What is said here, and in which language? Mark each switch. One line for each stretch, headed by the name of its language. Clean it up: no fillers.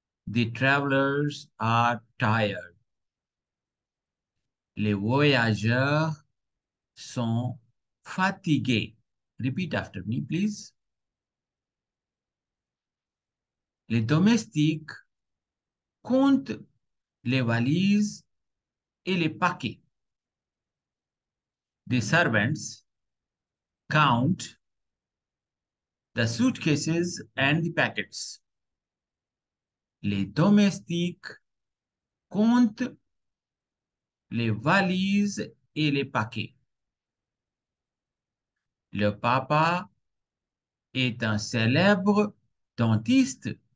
English: The travelers are tired.
French: Les voyageurs sont fatigués.
English: Repeat after me, please.
French: Les domestiques comptent les valises et les paquets.
English: The servants count the suitcases and the packets.
French: Les domestiques comptent les valises et les paquets. Le papa est un célèbre dentiste.